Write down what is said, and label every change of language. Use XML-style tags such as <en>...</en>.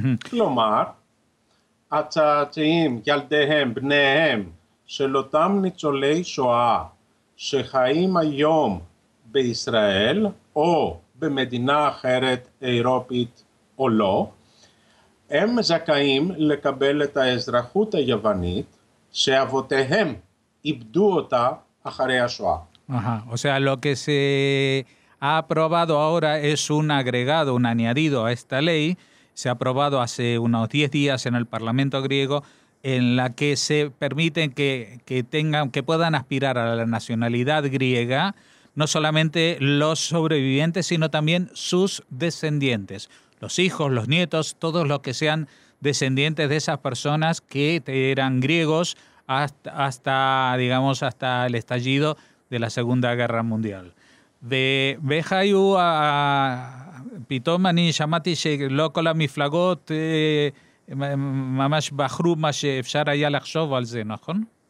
<he>כלומר, הצאצאים, ילדיהם, בניהם, של אותם ניצולי שואה שחיים היום בישראל או במדינה אחרת אירופית או לא, הם זכאים לקבל את האזרחות היוונית שאבותיהם איבדו אותה אחרי השואה.</he> <es>O sea, lo que se ha aprobado ahora es un agregado, un añadido a esta ley, se ha aprobado hace unos 10 días en el Parlamento griego, en la que se permite que tengan, que puedan aspirar a la nacionalidad griega, no solamente los sobrevivientes, sino también sus descendientes. Los hijos, los nietos, todos los que sean descendientes de esas personas que eran griegos hasta el estallido de la Segunda Guerra Mundial. De Bejayu a Pitomani, Shamati, Lokola, Miflagot,</es> <he>ממש בחרו מה שאפשר היה לחשוב על זה, נכון?</he>